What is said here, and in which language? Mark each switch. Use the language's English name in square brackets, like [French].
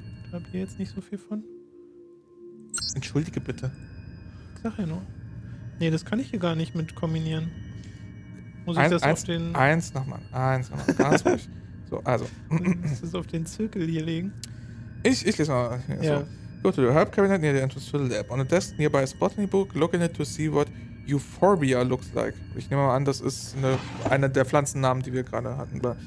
[German] Da habt ihr jetzt nicht so viel von. Entschuldige bitte. Ich sag ja nur. Nee, das kann ich hier gar nicht mit kombinieren. Muss ich Eins nochmal. Ganz ruhig. So, also. Muss ich das auf den Zirkel hier legen? Ich lese mal. Also, ja. [English] Go to the herb cabinet near the entrance to the lab. On a desk nearby is a botany book. Look in it to see what euphorbia looks like. [German] Ich nehme mal an, das ist eine der Pflanzennamen, die wir gerade hatten.